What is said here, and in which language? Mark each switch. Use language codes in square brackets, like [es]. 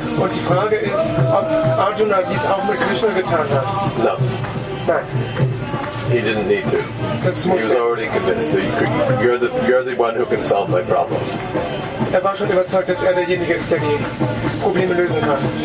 [de] Und die Frage ist, ob Arjuna dies auch mit Krishna getan hat. [en] No. [de] Nein. [en] He didn't need to. Already convinced that you're the one who can solve my problems. [de] Er war schon überzeugt, dass er derjenige ist, der die Probleme lösen kann.